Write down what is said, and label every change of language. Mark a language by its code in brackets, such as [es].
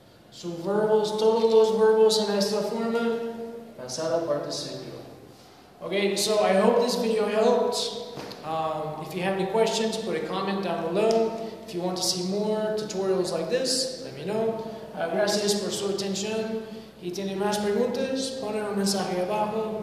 [es] Sus verbos, todos los verbos en esta forma, pasado participio. [en] Okay, so I hope this video helped. If you have any questions, put a comment down below. If you want to see more tutorials like this, let me know. [es] Gracias por su atención. Si tiene más preguntas, ponen un mensaje abajo.